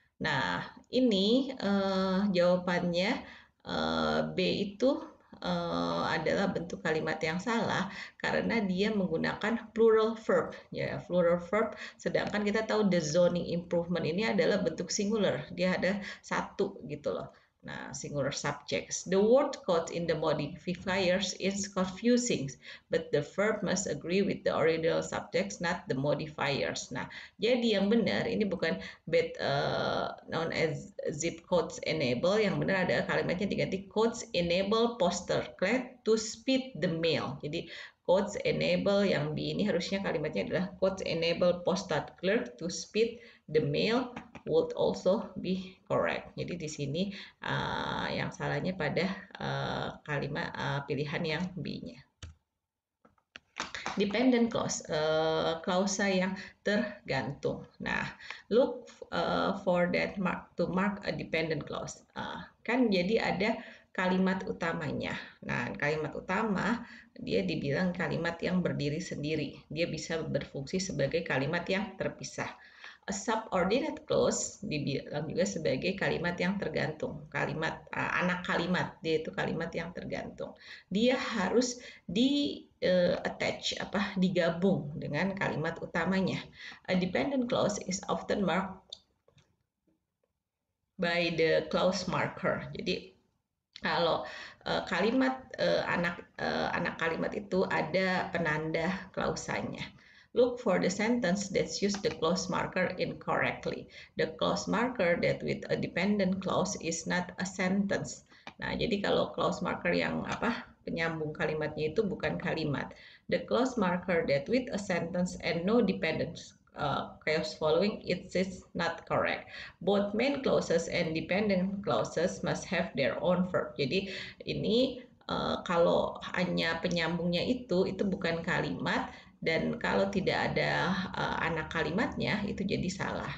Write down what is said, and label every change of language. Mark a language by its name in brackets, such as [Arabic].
[Indonesian] Nah, ini jawabannya B itu adalah bentuk kalimat yang salah karena dia menggunakan plural verb ya, plural verb, sedangkan kita tahu [English] the zoning improvement [Indonesian] ini adalah bentuk singular, dia ada satu gitu loh. [English] Nah, singular subjects, the word code in the modifiers is confusing, but the verb must agree with the original subjects, not the modifiers. [Indonesian] Nah, jadi yang benar ini bukan [English] bet known as zip codes enable, [Indonesian] yang benar ada kalimatnya diganti [English] codes enable postal clerk to speed the mail. Jadi codes enable [Indonesian] yang B ini harusnya kalimatnya adalah [English] codes enable postal clerk to speed the mail would also be correct. [Indonesian] Jadi di sini yang salahnya pada kalimat pilihan yang B-nya. Dependent clause, klausa yang tergantung. [English] Nah, look for that mark to mark a dependent clause. [Indonesian] Kan jadi ada kalimat utamanya. Nah, kalimat utama dia dibilang kalimat yang berdiri sendiri. Dia bisa berfungsi sebagai kalimat yang terpisah. A subordinate clause dibilang juga sebagai kalimat yang tergantung, kalimat anak kalimat, dia itu kalimat yang tergantung. Dia harus di attach apa digabung dengan kalimat utamanya. [English] A dependent clause is often marked by the clause marker. [Indonesian] Jadi kalau kalimat anak anak kalimat itu ada penanda klausanya. [English] Look for the sentence that use the clause marker incorrectly. The clause marker that with a dependent clause is not a sentence. [Indonesian] Nah, jadi kalau clause marker yang apa penyambung kalimatnya itu bukan kalimat. [English] The clause marker that with a sentence and no dependent clause following it is not correct. Both main clauses and dependent clauses must have their own verb. [Indonesian] Jadi ini kalau hanya penyambungnya itu bukan kalimat. Dan kalau tidak ada anak kalimatnya, itu jadi salah.